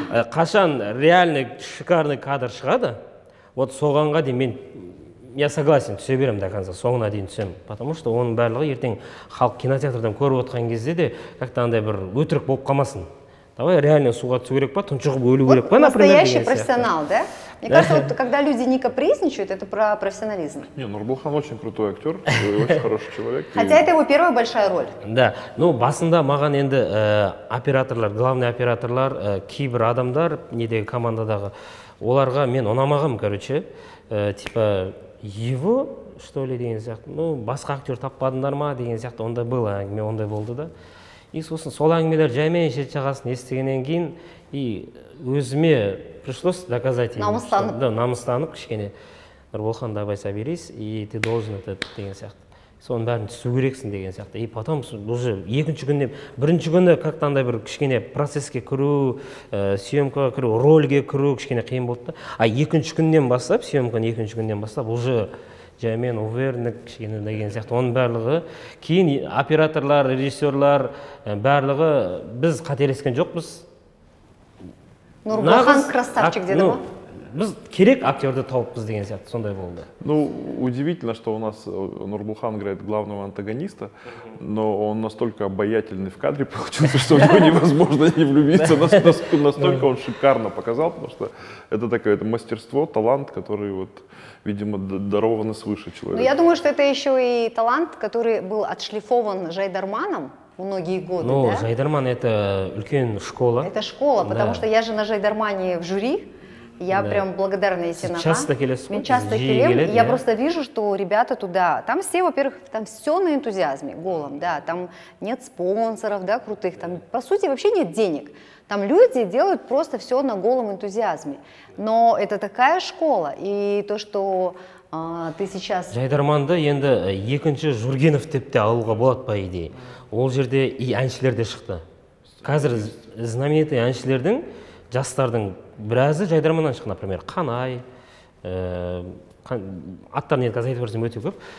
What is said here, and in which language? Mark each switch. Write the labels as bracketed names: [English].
[Kazakh] Қашан реальный шикарный кадр шығады, вот соғанға дейін мен, [Russian] я согласен, [Kazakh] түсе берем до конца, соңына дейін түсем. [Russian] Потому что [Kazakh] оның барлығы ертең халық кинотеатрдан көріп отқан кезде де, как-то андай бір өтірік болып қалмасын. Давай реально суға түсу керек па, тұншығып өлу керек па, например, деген [Russian] настоящий профессионал, да? Мне кажется, вот когда люди не капризничают, это про профессионализм. Не, Нурбулхан очень крутой актер, очень хороший человек. Хотя это его первая большая роль. [Kazakh] Да, ну басында маған енді операторлар, главный операторлар, кейбір адамдар, недегі командадағы, оларға мен ұнамағам, [Russian] короче, типа его, что ли, [Kazakh] деген сияқты, ну басқа актер таппадыңдар ма, деген сияқты, ондай было, әңгіме ондай болды да. И сосын сол әңгімелер жаймен шет жағасын естігеннен кейін, и өзіме [Russian] пришлось доказать ему. [Kazakh] Намыстанып. Да, намыстанып, кішкене. [Russian] Нұрболхан, давай соберись, и ты должен это, [Kazakh] деген сияқты. Соның бәрін түсу керексің, деген сияқты. И потом, уже екінші күнде, бірінші күнде, как-то андай бір кішкене процеске кіру, сүйемкіға кіру, рольге кіру, кішкене қиын болды. А екінші күннен бастап, сүйемкіні екінші күннен бастап, уже жаймен уверенный кішкене деген сияқты. Оның барлығы, кейін операторлар, режиссерлар, барлығы, біз қателескен жоқпыз. Нурбулхан красавчик, деді ма? Біз керек актерді тауыппыз деген сияқты, сондай болды. [Russian] Ну, удивительно, что у нас Нурбулхан играет главного антагониста, но он настолько обаятельный в кадре получился, что у него невозможно не влюбиться. Настолько он шикарно показал, потому что это такое мастерство, талант, который вот, видимо, дарованы свыше человека. Ну, я думаю, что это еще и талант, который был отшлифован Жайдарманом многие годы. Ну, да? [Kazakh] Жайдарман – это үлкен школа. [Russian] Это школа, потому что я же на Жайдармане в жюри. Я прям благодарна Есенаха. [Kazakh] Часто келесу. Мен часто келем. [Russian] Я просто вижу, что ребята туда, там все, во-первых, там все на энтузиазме, голом, да. Там нет спонсоров, да, крутых. Там, по сути, вообще нет денег. Там люди делают просто все на голом энтузиазме. Но это такая школа. И то, что ты сейчас... [Kazakh] Жайдарманды енді екінші Жүргенов деп те алуға болады, [Russian] по идее. [Kazakh] Ол жерде и әншілер де шықты. Қазір знаменитый әншілердің, жастардың біразы Жайдарманнан шықты, например, Қанай, аттарын енді қазір айтып берсем өте көп.